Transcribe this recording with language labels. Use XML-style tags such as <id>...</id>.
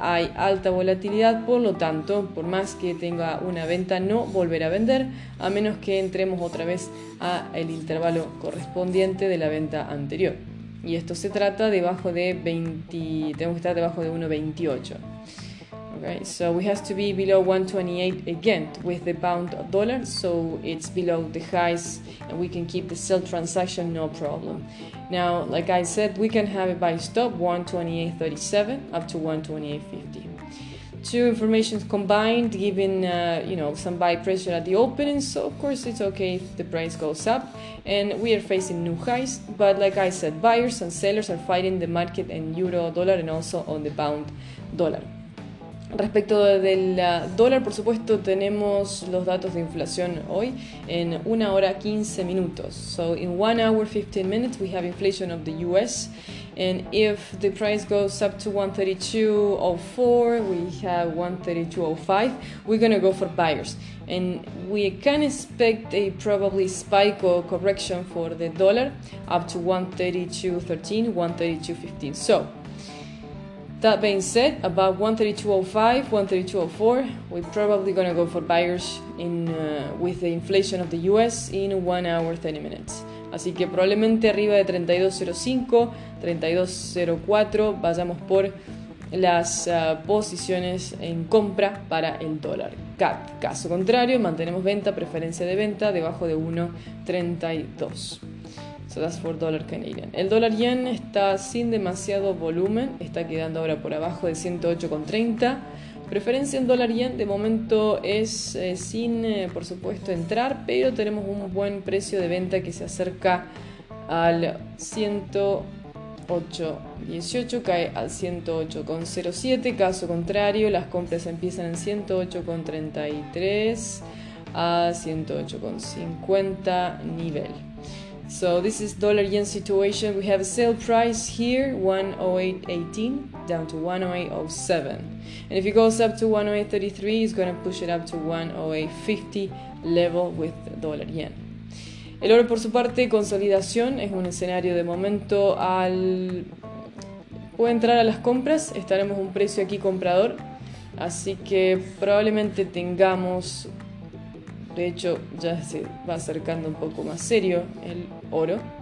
<es>Hay alta volatilidad, por lo tanto, por más que tenga una venta, no volverá a vender a menos que entremos otra vez a el intervalo correspondiente de la venta anterior. Y esto se trata debajo de 20, tenemos que estar debajo de 1.28.</es> <en>Right, so we have to be below 1.28 again with the pound dollar, so it's below the highs and we can keep the sell transaction, no problem. Now, like I said, we can have a buy stop 1.2837 up to 1.2850. Two informations combined giving you know, some buy pressure at the opening, so of course it's okay if the price goes up and we are facing new highs, but like I said, buyers and sellers are fighting the market in euro dollar and also on the pound dollar.</en> <es>Respecto del dólar, por supuesto, tenemos los datos de inflación hoy en 1 hora 15 minutos.</es> <en>So in 1 hour 15 minutes we have inflation of the US, and if the price goes up to 132.04, we have 132.05, we're going to go for buyers. And we can expect a probably spike or correction for the dollar up to 132.13, 132.15. So That being said, about 132.05, 132.04, we're probably going to go for buyers in with the inflation of the US in 1 hour 30 minutes.</en> <es>Así que probablemente arriba de 32.05, 32.04 vayamos por las posiciones en compra para el dólar. Caso contrario, mantenemos venta, preferencia de venta, debajo de 1.32.</es> <en>So that's for dollar Canadian.</en> <es>El dólar yen está sin demasiado volumen, está quedando ahora por abajo de 108.30. Preferencia en dólar yen de momento es sin, por supuesto, entrar, pero tenemos un buen precio de venta que se acerca al 108.18, cae al 108.07. Caso contrario, las compras empiezan en 108.33 a 108.50 nivel.</es> <en>So this is dollar yen situation. We have a sale price here, 108.18, down to 108.07. And if it goes up to 108.33, it's going to push it up to 108.50 level with dollar yen.</en> <es>El oro, por su parte, consolidación, es un escenario de momento al... Puede entrar a las compras, estaremos un precio aquí comprador, así que probablemente tengamos... De hecho, ya se va acercando un poco más serio el oro.</es>